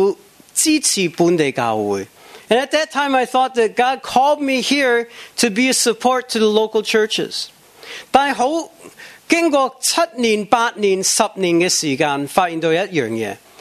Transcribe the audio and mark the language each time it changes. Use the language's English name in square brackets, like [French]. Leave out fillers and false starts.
[Cantonese] 一路觉得神呼召我来澳门，系要支持本地教会。 [English] And at that time, I thought that God called me here to be a support to the local churches. [Cantonese] 但好， 经过7年、8年、10年的时间，发现到一样嘢。